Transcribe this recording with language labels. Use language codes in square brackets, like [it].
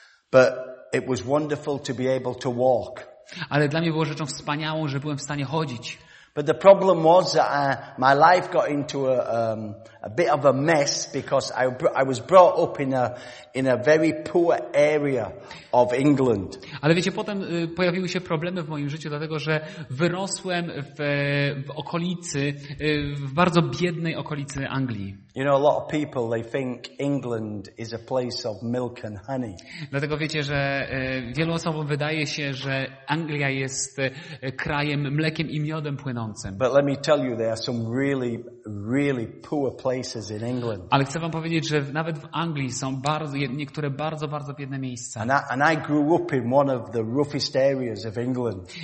[en] But it was wonderful to be able to walk. [pl] Ale dla mnie było rzeczą wspaniałą, że byłem w stanie chodzić. [en] But the problem was that my life got into a bit of a mess because I was brought up in a very poor area of England. [pl] Ale wiecie, potem pojawiły się problemy w moim życiu, dlatego że wyrosłem w okolicy, w bardzo biednej okolicy Anglii. [en] You know, a lot of people, they think England is a place of milk and honey. [pl] Dlatego wiecie, że wielu osobom wydaje się, że Anglia jest krajem mlekiem i miodem płynącym. [en] But let me tell you, there are some really, really poor places in England. [pl] Ale chcę wam powiedzieć, że nawet w Anglii są niektóre bardzo, bardzo biedne miejsca. [en] And I grew up in one of the roughest areas of England.